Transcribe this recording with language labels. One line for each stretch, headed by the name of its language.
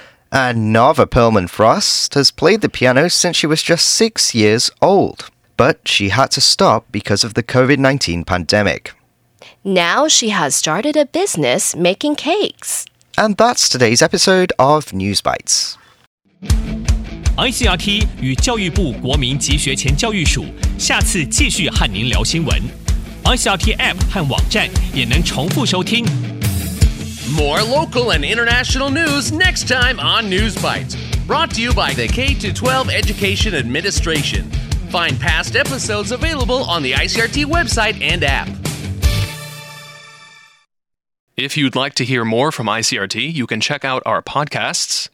English: And Nava Perlman Frost has played the piano since she was just 6 years old, but she had to stop because of the COVID-19 pandemic. Now she has started a business making cakes. And that's today's episode of News Bites.
Chinese: ICRT 与教育部国民及学前教育署下次继续和您聊新闻。 ICRT App 和网站也能重复收听。
English: More local and international news next time on News Bites. Brought to you by the K-12 Education Administration. Find past episodes available on the ICRT website and app. If you'd like to hear more from ICRT, you can check out our podcasts.